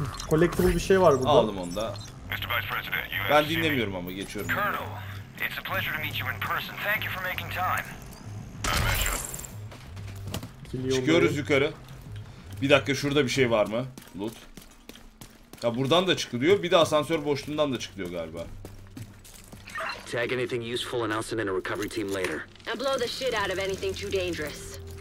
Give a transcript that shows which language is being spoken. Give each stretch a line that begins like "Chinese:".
Turkish: Collectible bir şey var burada. Aldım onu da. Ben dinlemiyorum ama geçiyorum.
English: It's a pleasure to meet you in person. Thank you for making time.
Turkish: Çıkıyoruz yukarı. Bir dakika, şurada bir şey var mı? Loot. Ya buradan da çıkılıyor. Bir de asansör boşluğundan da çıkılıyor galiba.
English: Tag anything useful and I'll send in a recovery team later. And blow the shit out of anything too dangerous.